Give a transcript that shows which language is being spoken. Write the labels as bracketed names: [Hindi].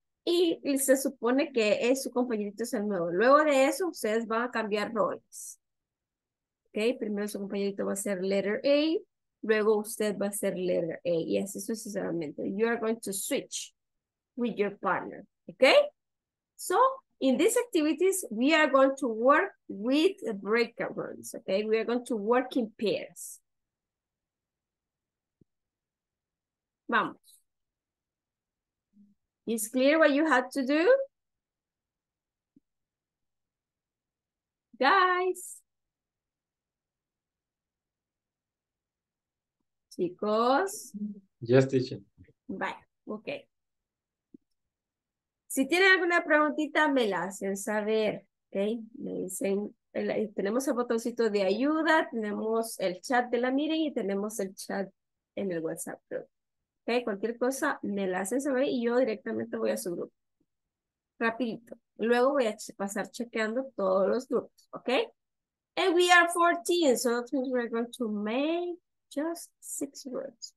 [Spanish] Y se supone que es su compañerito es el nuevo. Luego de eso, ustedes van a cambiar roles. ¿Ok? Primero su compañerito va a ser [English] letter A. [Spanish] Luego usted va a ser [English] letter A. [Spanish] Y así sucesivamente. [English] You are going to switch with your partner. ¿Ok? So, in these activities, we are going to work with breakout rooms. ¿Ok? We are going to work in pairs. [Spanish] Vamos. [English] Is clear what you had to do? Guys. [Spanish] Chicos. [English] Just teaching. Bye. Okay. [Spanish] Si tienen alguna preguntita, me la hacen saber. Okay. Me dicen, tenemos el botoncito de ayuda, tenemos el chat de la meeting y tenemos el chat en el WhatsApp group. Okay, cualquier cosa me la hacen saber y yo directamente voy a su grupo. Rapidito. Luego voy a pasar chequeando todos los grupos. [English] Ok. And we are 14. So that means we're going to make just 6 words.